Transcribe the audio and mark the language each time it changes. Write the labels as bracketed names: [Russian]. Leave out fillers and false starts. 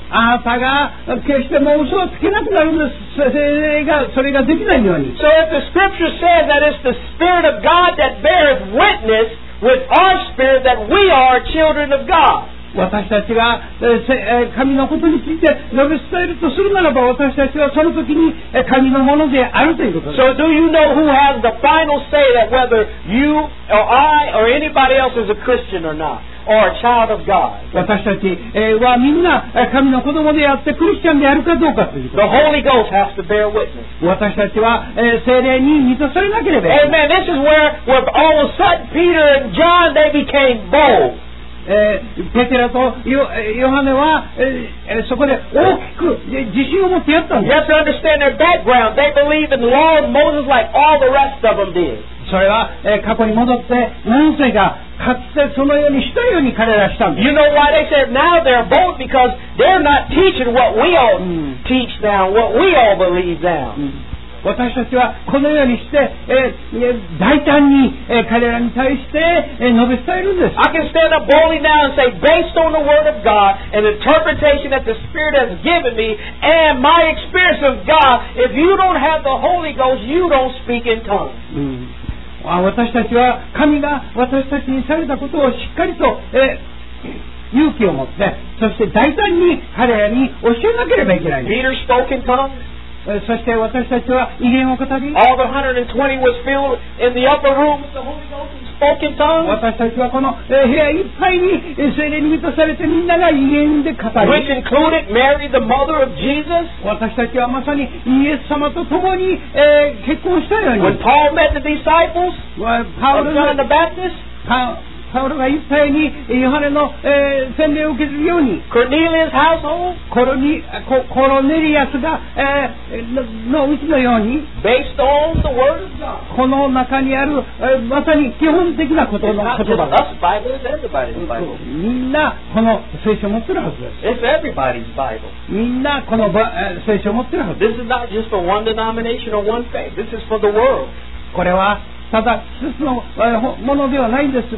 [Japanese] あなたが決してもう嘘をつけなくなるんです。聖霊がそれができないように。 [English] So if the scripture says that it's the Spirit of God that beareth witness,With our spirit that we are children of God. [Japanese] 私たちが、神のことについて述べ伝えるとするならば、私たちはその時に、神のものであるということです。 [English] So do you know who has the final say that whether you or I or anybody else is a Christian or not? Or a child of God? [Japanese] 私たち、はみんな、神の子供であってクリスチャンであるかどうかということです。 [English] The Holy Ghost has to bear witness. [Japanese] 私たちは、聖霊に満たされなければ。 [English] Amen. This is where all of a sudden Peter and John, they became bold. [Japanese] ペテラとヨハネは、そこで大きく自信を持ってやったんです。 [English] You have to understand their background. They believed in the law of Moses like all the rest of them did. [Japanese] それは、過去に戻って何世がかつてそのようにしたように彼らしたんです。 [English] You know why they said now they're bold? Because they're not teaching what we all teach now, what we all believe now.、 [Japanese] うん、私たちはこのようにして、大胆に、彼らに対して、述べ伝えるんです。 [English] I can stand up boldly now and say, based on the word of God, an interpretation that the Spirit has given me, and my experience of God, if you don't have the Holy Ghost, you don't speak in tongues.、 [Japanese] うん私たちは神が私たちにされたことをしっかりと、勇気を持って、そして大胆に彼らに教えなければいけない。 [English] Peter spoke in tongues. [Japanese] そして私たちは異言を語り、 [English] All the 120 was filled in the upper room with the Holy Ghost and spoke in tongues. [Japanese] 私たちはこの部屋いっぱいに聖霊に満たされてみんなが異言で語り、 [English] Which included Mary, the mother of Jesus. [Japanese] 私たちはまさにイエス様と共に、結婚したように、 [English] When Paul met the disciples, John the Baptist, [Japanese] パウロがいっぱいにヨハネの、洗礼を受けるように、 [English] Cornelius household, [Japanese] コロネリアスが、のうちのように、 [English] Based on the word of God. [Japanese] この中にある、まさに基本的なことの言葉が、 [English] It's not just us, Bible, it's everybody's Bible. [Japanese] みんなこの聖書を持ってるはずです。 [English] It's everybody's Bible. [Japanese] みんなこの聖書を持ってるはずです。 [English] This is not just for one denomination or one faith. This is for the world. [Japanese] これはただ一つのものではないんです。